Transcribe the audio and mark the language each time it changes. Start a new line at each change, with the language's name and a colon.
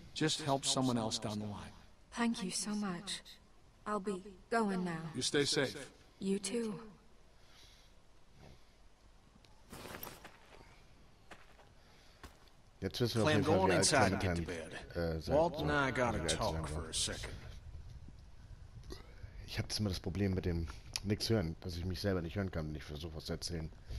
English: Just help someone else down the line. Thank you so much. I'll be going now. You stay safe. You too.
German: Jetzt wissen wir auf jeden Fall, wie alt Clementine sein.
English: Walt and I gotta talk for a second.
German: Ich hab jetzt immer das Problem mit dem nichts hören, dass ich mich selber nicht hören kann, wenn ich versuche was zu erzählen.